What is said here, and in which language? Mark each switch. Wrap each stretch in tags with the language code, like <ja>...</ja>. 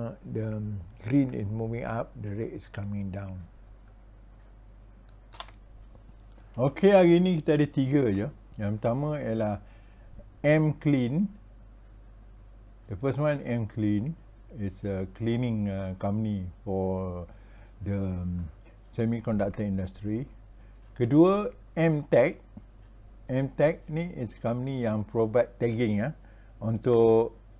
<en>The green is moving up, the red is coming down.</en> <ms>Okay, hari ni kita ada tiga je. Yang pertama ialah MCLEAN.</ms> <en>The first one, MCLEAN, is a cleaning company for the semiconductor industry.</en> <ms>Kedua, MTAG. MTAG ni</ms> <en>is company</en> <ms>yang</ms> <en>provide tagging</en> <ms>untuk</ms>